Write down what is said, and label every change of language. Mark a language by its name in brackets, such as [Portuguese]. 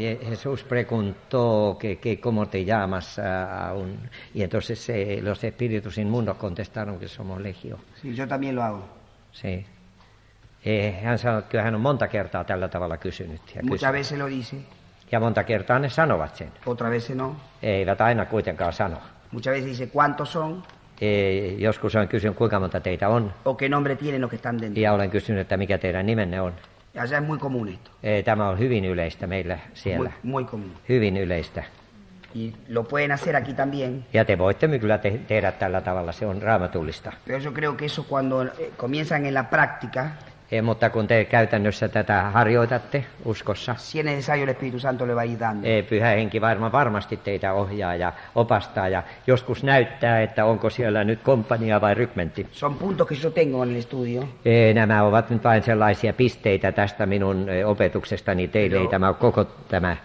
[Spanish] Jesús preguntó que cómo te llamas aún. Y entonces los espíritus inmundos contestaron que somos legio. Sí, yo también lo hago. Sí. [Finnish] Hän sanoi, että hän on monta kertaa tällä tavalla kysynyt. [Spanish] Muchas veces lo dice. [Finnish] Ja monta kertaa ne sanovat sen. [Spanish] Otra vez no. [Finnish] Eivät aina kuitenkaan sano. [Spanish] Muchas veces dice, ¿cuántos son? [Finnish] Joskus olen kysynyt, kuinka monta teitä on. [Spanish] O qué nombre tienen los que están dentro. [Finnish] Ja olen kysynyt, että mikä teidän nimenne on. [Spanish] Allá es muy común esto. [Finnish] Tämä on hyvin yleistä meillä siellä. [Spanish] Muy común. [Finnish] Hyvin yleistä. [Spanish] Y lo pueden hacer aquí también. [Finnish] Ja te voitte kyllä tehdä tällä tavalla, se on raamatullista. [Spanish] Pero yo creo que eso cuando comienzan en la práctica. [Finnish] Mutta kun te käytännössä tätä harjoitatte uskossa. [Spanish] Si es necesario el Espíritu Santo le va ayudando. [Finnish] Pyhä henki varmasti teitä ohjaa ja opastaa ja joskus näyttää, että onko siellä nyt komppania vai rykmentti. [Spanish] Son puntos que yo tengo en el estudio. [Finnish] Nämä ovat nyt vain sellaisia pisteitä tästä minun opetuksestani teille, ei tämä koko tämä